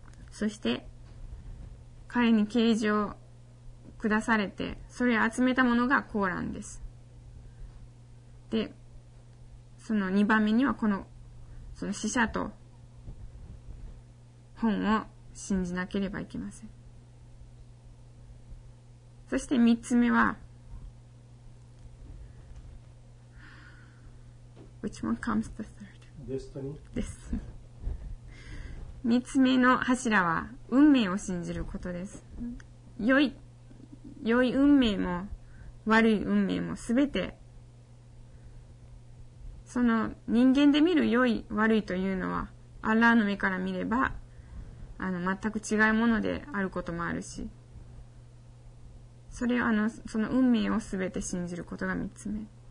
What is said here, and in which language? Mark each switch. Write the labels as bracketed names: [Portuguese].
[Japanese] そして彼に啓示を下されて、それを集めたものがコーランです。で、その2番目にはこの、その使者と本を信じなければいけません。そして3つ目は、 [English] Which one comes the third? Destiny. Destiny. [Japanese] 三つ目の柱は運命を信じることです。良い運命も悪い運命もすべて、その人間で見る良い悪いというのはアッラーの目から見れば全く違うものであることもあるし、それをその運命をすべて信じることが三つ目。